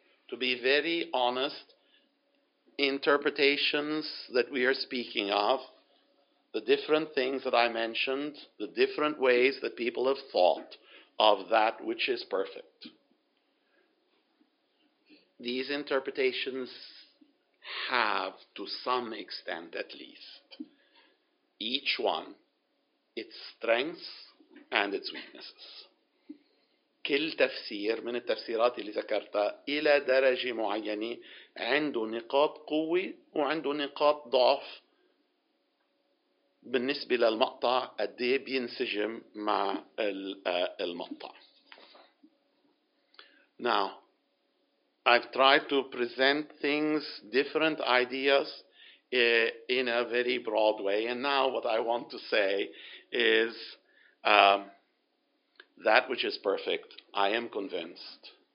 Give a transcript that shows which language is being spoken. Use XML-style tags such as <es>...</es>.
<en>To be very honest, interpretations that we are speaking of, the different things that I mentioned, the different ways that people have thought of that which is perfect, these interpretations have, to some extent at least, each one, its strengths and its weaknesses.</en> <ar>كل تفسير من التفسيرات اللي ذكرتها إلى درجة معينة عنده نقاط قوة وعنده نقاط ضعف بالنسبة للمقطع قدي بينسجم مع المقطع.</ar> <en>Now, I've tried to present things, different ideas in a very broad way. And now what I want to say is that which is perfect, I am convinced.</en>